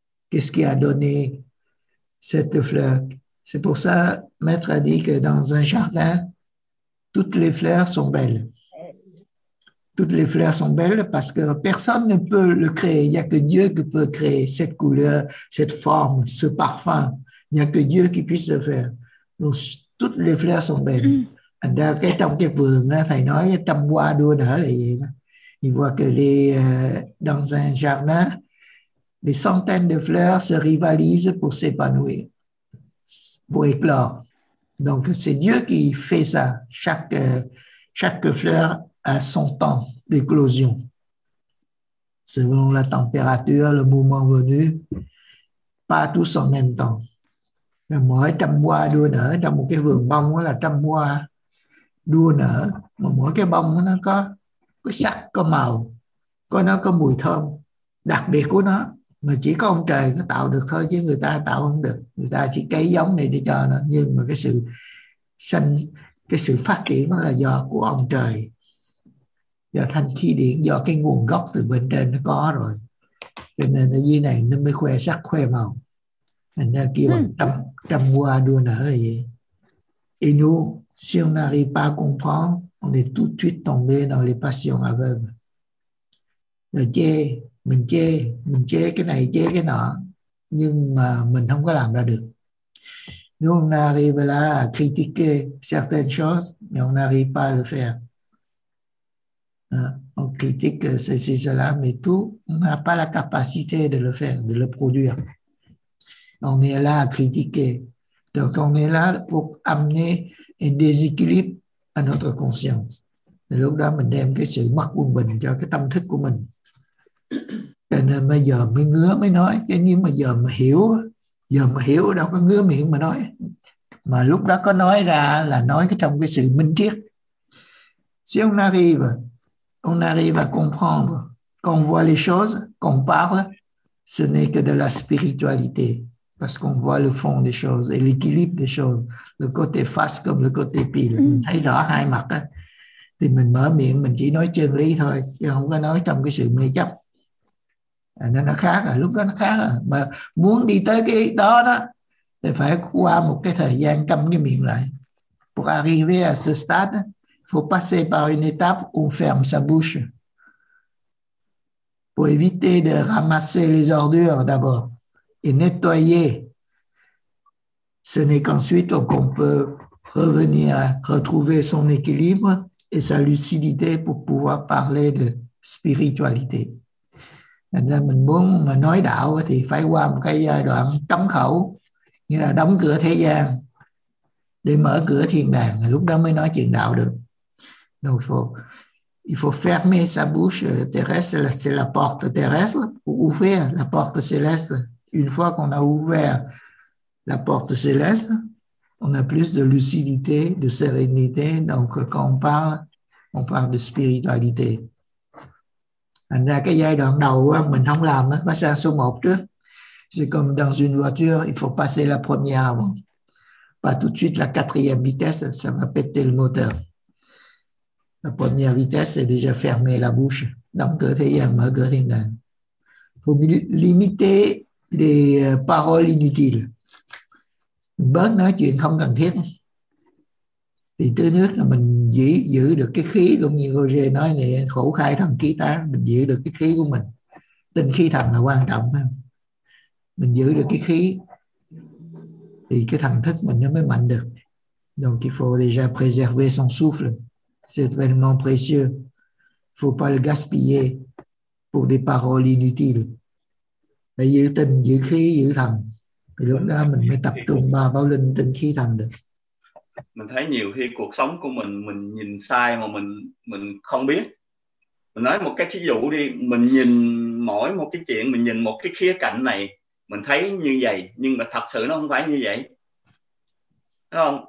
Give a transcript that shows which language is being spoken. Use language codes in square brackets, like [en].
[fr] Qu'est-ce qui a donné cette fleur? C'est pour ça, Maître a dit que dans un jardin, toutes les fleurs sont belles. Toutes les fleurs sont belles parce que personne ne peut le créer. Il n'y a que Dieu qui peut créer cette couleur, cette forme, ce parfum. Il n'y a que Dieu qui puisse le faire. Donc, toutes les fleurs sont belles. Dans le [vi] vườn, thầy nói, trăm hoa đua nở là gì? [fr] Il voit que dans un jardin, des centaines de fleurs se rivalisent pour s'épanouir, pour éclore. Donc, c'est Dieu qui fait ça. Chaque fleur a son temps d'éclosion. Selon la température, le moment venu, pas tous en même temps. [vi] Mỗi trăm hoa đua nở, trong một cái vườn bông là trăm hoa đua nở, mà mỗi cái bông nó có có sắc, có màu, có nó có mùi thơm đặc biệt của nó, mà chỉ có ông trời có tạo được thôi chứ người ta tạo không được. Người ta chỉ cấy giống này để cho nó, nhưng mà cái sự sinh, cái sự phát triển nó là do của ông trời, do thanh khí điển, do cái nguồn gốc từ bên trên nó có rồi, cho nên nó dưới này nó mới khoe sắc khoe màu. Mình nó kêu bằng trăm hoa đua nở là gì? [fr] Et nous, si on n'arrive pas à comprendre, on est tout de suite tombé dans les passions aveugles. [vi] Rồi chê, mình chê cái này, chê cái nọ, nhưng mà mình không có làm ra được. Nếu [fr] on arrive là à critiquer certaines choses, mais on n'arrive pas à le faire. On critique ceci, cela, mais tout, on n'a pas la capacité de le faire, de le produire. On est là à critiquer. Donc, on est là pour amener un déséquilibre à notre conscience. [vi] Et lúc đó mình đem cái sự mất quân bình cho cái tâm thức của mình. Cho nên bây giờ mới ngứa mới nói. Chứ nếu mà giờ mà hiểu, giờ mà hiểu đâu có ngứa miệng mà nói. Mà lúc đó có nói ra là nói cái trong cái sự minh triết. [fr] Si on arrive à comprendre qu'on voit les choses, qu'on parle, ce n'est que de la spiritualité. Parce qu'on voit le fond des choses et l'équilibre des choses. Le côté face comme le côté pile. [vi] Mm. Thấy rõ hai mặt á. Thì mình mở miệng, mình chỉ nói chân lý thôi, chứ không có nói trong cái sự mê chấp. Nên nó khác à, lúc đó nó khác à. Mà muốn đi tới cái đó đó, thì phải qua một cái thời gian cầm cái miệng lại. [fr] Pour arriver à ce stade, il faut passer par une étape où on ferme sa bouche. Pour éviter de ramasser les ordures d'abord et nettoyer. Ce n'est qu'ensuite qu'on peut revenir, retrouver son équilibre et sa lucidité pour pouvoir parler de spiritualité. [vi] Nên mình muốn mà nói đạo thì phải qua một cái giai đoạn cấm khẩu, như là đóng cửa thế gian để mở cửa thiên đàng, lúc đó mới nói chuyện đạo được. [fr] Donc il faut fermer sa bouche terrestre, c'est la porte terrestre, pour ouvrir la porte céleste. Une fois qu'on a ouvert la porte céleste, on a plus de lucidité, de sérénité. Donc, quand on parle de spiritualité. [vi] Thành ra cái giai đoạn đầu mình không làm, phải sang số 1 trước. [fr] C'est comme dans une voiture, il faut passer la première avant. Pas tout de suite la quatrième vitesse, ça va péter le moteur. La première vitesse, c'est déjà fermer la bouche. Donc, il faut limiter les paroles inutiles. [vi] Bớt nói chuyện không cần thiết. Thì thứ nhất là mình giữ được cái khí, cũng như Roger nói này, khổ khai thần khí tán, mình giữ được cái khí của mình. Tinh khí thần là quan trọng. Mình giữ được cái khí thì cái thần thức mình nó mới mạnh được. [fr] Donc il faut déjà préserver son souffle. C'est vraiment précieux. Faut pas le gaspiller pour des paroles inutiles. [vi] Phải giữ tinh, giữ khí, giữ thần. Thì lúc đó mình mới tập trung ba bao linh tinh khí thần được. Mình thấy nhiều khi cuộc sống của mình nhìn sai mà mình không biết. Mình nói một cái ví dụ đi, mình nhìn mỗi một cái chuyện, mình nhìn một cái khía cạnh này, mình thấy như vậy, nhưng mà thật sự nó không phải như vậy. Thấy không?